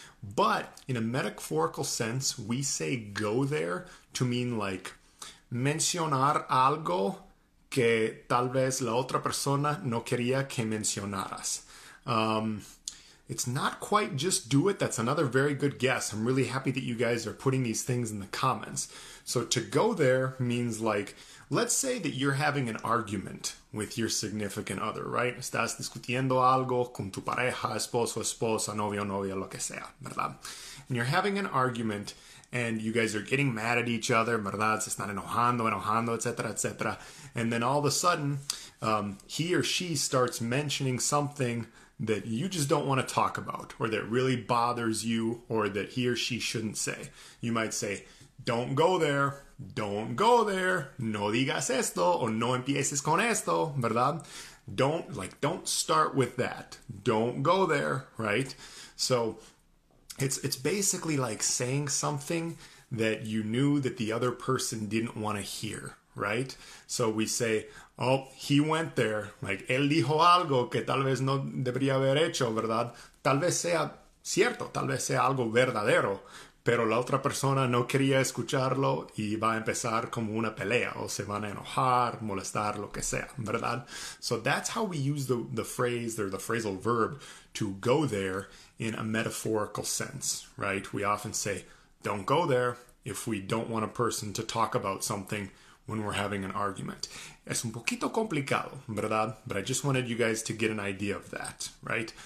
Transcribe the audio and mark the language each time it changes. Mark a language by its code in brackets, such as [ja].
[en] But in a metaphorical sense, we say go there to mean like [es] mencionar algo que tal vez la otra persona no quería que mencionaras. [en] It's not quite just do it. That's another very good guess. I'm really happy that you guys are putting these things in the comments. So to go there means like, let's say that you're having an argument with your significant other, right? [es] Estás discutiendo algo con tu pareja, esposo, esposa, novio, novia, lo que sea, ¿verdad? [en] And you're having an argument and you guys are getting mad at each other, ¿verdad? [es] Se están enojando, enojando, etc., etc. [en] And then all of a sudden, he or she starts mentioning something that you just don't want to talk about, or that really bothers you, or that he or she shouldn't say. You might say, don't go there. Don't go there. [es] No digas esto o no empieces con esto, ¿verdad? [en] Don't start with that. Don't go there, right? So it's basically like saying something that you knew that the other person didn't want to hear, right? So we say, oh, he went there. [es] Like, él dijo algo que tal vez no debería haber hecho, ¿verdad? Tal vez sea cierto, tal vez sea algo verdadero. Pero la otra persona no quería escucharlo y va a empezar como una pelea, o se van a enojar, molestar, lo que sea, ¿verdad? [en] So that's how we use the phrase or the phrasal verb to go there in a metaphorical sense, right? We often say, don't go there if we don't want a person to talk about something when we're having an argument. [es] Es un poquito complicado, ¿verdad? [en] But I just wanted you guys to get an idea of that, right?